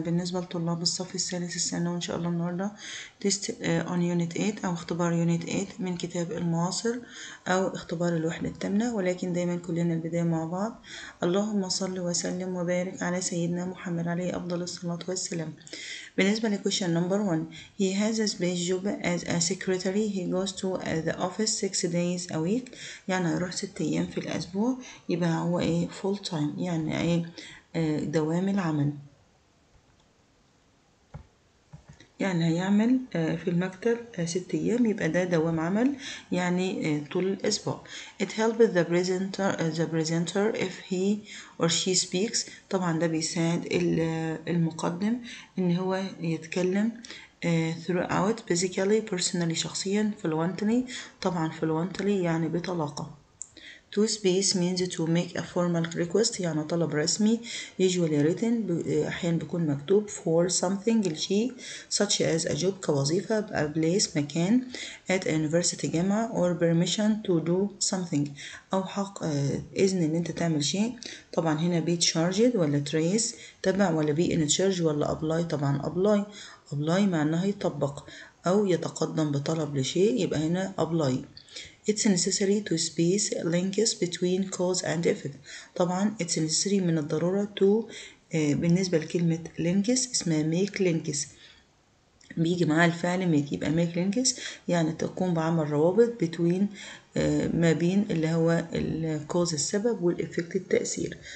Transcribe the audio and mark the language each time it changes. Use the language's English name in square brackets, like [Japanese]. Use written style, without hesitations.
[Arabic] بالنسبة لطلاب الصف الثالث الثانوي، إن شاء الله النهاردة [English] test on unit 8 [Arabic] أو اختبار يونت 8 من كتاب المعاصر أو اختبار الوحدة التامة، ولكن دايما كلنا البداية مع بعض. اللهم صل وسلم وبارك على سيدنا محمد عليه أفضل الصلاة والسلام. بالنسبة [English] لكوشن number 1، he has a space job as a secretary. He goes to the office 6 days a week. [Arabic] يعني يروح 6 أيام في الأسبوع، يبقى هو ايه [English] full time، [Arabic] يعني ايه دوام العمل، يعني هيعمل في المكتب 6 أيام، يبقى ده دوام عمل يعني طول الأسبوع. [English] It helps the presenter if he or she speaks. [Arabic] طبعا ده بيساعد المقدم إن هو يتكلم [English] throughout physically personally [Arabic] شخصيا [English] fluently. [Arabic] طبعا [English] fluently [Arabic] يعني بطلاقة. [English] To space means to make a formal request، [Arabic] يعني طلب رسمي. [English] Usually written، [Arabic] أحيانا بيكون مكتوب. [English] For something، [Arabic] لشيء. [English] Such as a job، [Arabic] كوظيفة. [English] A place، [Arabic] مكان. [English] At a university، [Arabic] جامعة. [English] Or permission to do something، [Arabic] أو حق إذن إن أنت تعمل شيء. طبعا هنا [English] be charged [Arabic] ولا [English] trace، [Arabic] تبع ولا [English] be in charge [Arabic] ولا apply. طبعا apply، apply معناها يطبق أو يتقدم بطلب لشيء، يبقى هنا apply. [English] It's necessary to space links between cause and effect. [Arabic] طبعا [English] it's necessary [Arabic] من الضرورة to بالنسبة لكلمة links اسمها [English] make links، [Arabic] بيجي معاها الفعل make، يبقى make links يعني تقوم بعمل روابط [English] between [Arabic] ما بين اللي هو الكوز السبب والإفكت التأثير.